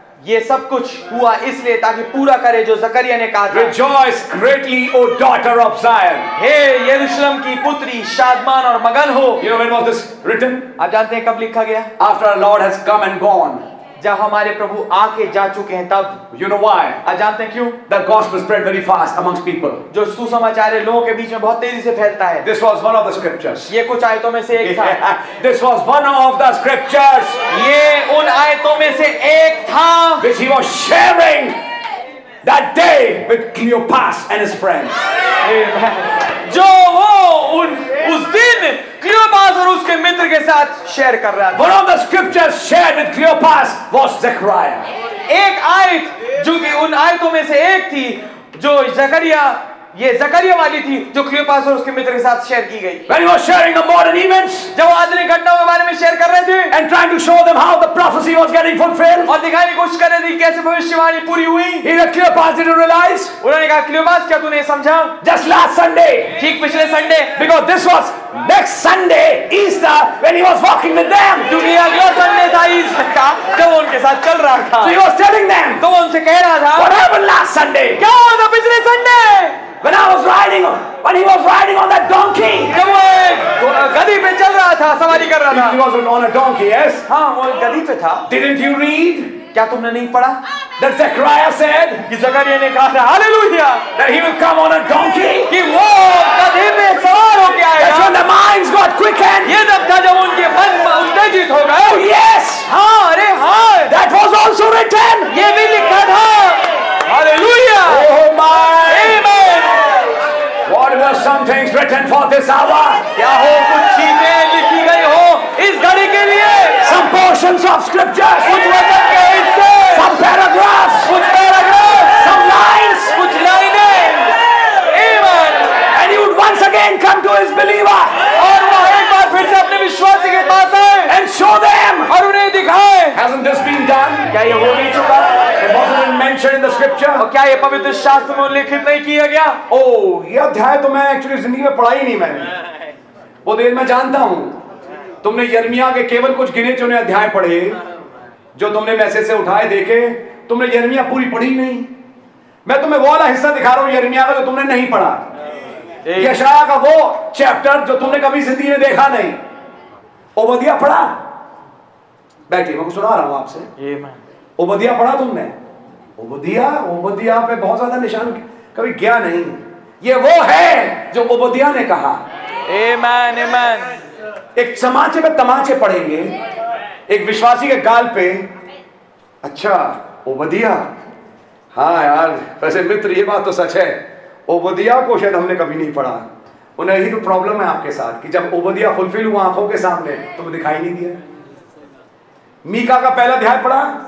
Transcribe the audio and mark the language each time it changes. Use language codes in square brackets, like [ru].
[hi] ये सब कुछ हुआ इसलिए ताकि पूरा करे जो ज़करिया ने कहा था. [en] Rejoice greatly, O daughter of Zion. [hi] हे यरूशलम की पुत्री, शादमान और मगन हो. [en] You know when was this written? [hi] आप जानते हैं कब लिखा गया? [en] After our Lord has come and gone. [hi] जब हमारे प्रभु आके जा चुके हैं तब. [en] You know why? [hi] जानते हैं क्यों? [en] The gospel spread very fast amongst people. [hi] जो सुसमाचार है लोगों के बीच में बहुत तेजी से फैलता है. [en] This was one of the scriptures. [hi] ये कुछ आयतों में से एक था. [en] This was one of the scriptures. [hi] ये उन आयतों में से एक था. [en] Which he was sharing that day with Cleopas and his friends. [hi] जो वो उन उस दिन क्लियोपास और उसके मित्र के साथ शेयर कर रहा था. [en] One of the scriptures shared with Cleopas was Zechariah. [hi] एक आयत जो कि उन आयतों में से एक थी जो ज़करिया, ये ज़करिया वाली थी जो क्लियोपास और उसके मित्र के साथ शेयर की गई. [en] When he was sharing the modern events, [hi] जब वो आधुनिक घटनाओं के बारे में शेयर कर रहे थे. [en] And trying to show them how the prophecy was getting fulfilled, [hi] और दिखाने की कोशिश कर रहे थे कैसे भविष्यवाणी पूरी हुई. [en] He said, Cleopas, did you realize? [hi] उन्होंने कहा, क्लियोपास क्या तूने समझा? [en] Just last Sunday, [hi] ठीक पिछले Sunday. [en] Because this was next Sunday, Easter, when he was walking with them. [hi] क्योंकि अगले संडे था ईस्टर का जब वो उनके साथ चल रहा था. [en] So he was telling them, [hi] तो वो उनसे कह रहा था, [en] What happened last Sunday? [hi] क्या हुआ था पिछले Sunday? [en] When he was riding on that donkey. [hi] जब वो गधी पे चल रहा था, सवारी कर रहा था. [en] He was on a donkey, yes. [hi] हाँ, वो गधी पे था. [en] Didn't you read? [hi] क्या तुमने नहीं पढ़ा? [en] That Zechariah said. [hi] कि ज़करिया ने कहा था, Hallelujah. [en] That he will come on a donkey. [hi] कि वो गधी पे सवार होके आएगा. [en] That's when the minds got quickened. [hi] ये तब था जब उनके मन उत्तेजित हो गए. [en] Oh yes. [hi] हाँ, अरे हाँ. [en] That was also written. [hi] ये भी लिखा था. Hallelujah. [en] Oh my. Amen. What were some things written for this hour? [hi] क्या हो कुछ चीजें लिखी गई हो इस घड़ी के लिए? [en] Some portions of scriptures. [hi] कुछ वचन के हिस्से. [en] Some paragraphs. [hi] कुछ paragraphs. [en] Some lines. [hi] कुछ लाइनें. Amen. [en] And he would once again come to his believer. [hi] और वो एक बार फिर से अपने विश्वासी के पास आए. [en] And show them. [hi] और उन्हें दिखाए. [en] Hasn't this been done? [hi] क्या ये हो नहीं चुका? [en] In the scripture. [hi] और क्या ये पवित्र शास्त्र में उल्लेखित नहीं किया गया? ओह, ये अध्याय तो मैं एक्चुअली ज़िंदगी में पढ़ा ही नहीं मैंने. वो देर मैं जानता हूँ. तुमने यर्मिया के केवल कुछ गिने चुने अध्याय पढ़े, जो तुमने मैसेज से उठाए देखे, तुमने यर्मिया पूरी पढ़ी नहीं. मैं तुम्हें वो वाला हिस्सा दिखा रहा हूँ यर्मिया का जो तुमने नहीं पढ़ा. यशाया का वो चैप्टर जो तुमने कभी ज़िंदगी में देखा नहीं. ओबदिया पढ़ा? बैठिए, मैं सुना रहा हूँ आपसे. ओबदिया पढ़ा तुमने? उबदिया, उबदिया पे बहुत ज्यादा निशान कभी गया नहीं. ये वो है जो उबदिया ने कहा. Amen, amen. एक समाचे पे तमाचे पढ़ेंगे, एक विश्वासी के गाल पे. अच्छा, उबदिया. हाँ यार, वैसे मित्र ये बात तो सच है, उबदिया को शायद हमने कभी नहीं पढ़ा. उन्हें ही तो प्रॉब्लम है आपके साथ कि जब उबदिया फुलफिल हुआ आंखों के सामने तो दिखाई नहीं दिया. मीका का पहला अध्याय पढ़ा?